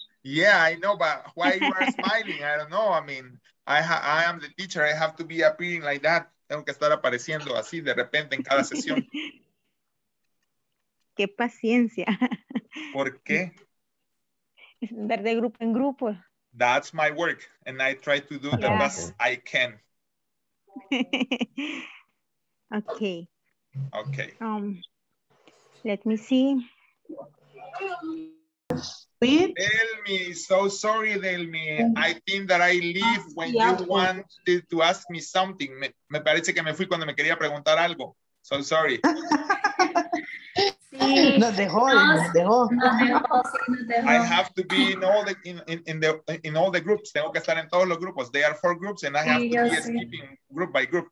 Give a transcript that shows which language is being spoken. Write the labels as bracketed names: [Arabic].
[English] Yeah, I know, but why you are smiling? I don't know. I mean, I am the teacher. I have to be appearing like that. [Spanish] Tengo que estar apareciendo así de repente en cada sesión. Qué paciencia. ¿Por qué? Ver de grupo en grupo. [English] That's my work. And I try to do the best I can. Okay. Okay. Let me see. Delmi, so sorry, Delmi. I think that I leave when you wanted to ask me something. [Spanish] Me parece que me fui cuando me quería preguntar algo. [English] So sorry. [Spanish] Sí. Nos dejó. [English] I have to be in all the groups. [Spanish] Tengo que estar en todos los grupos. [English] There are 4 groups and I have to be skipping group by group.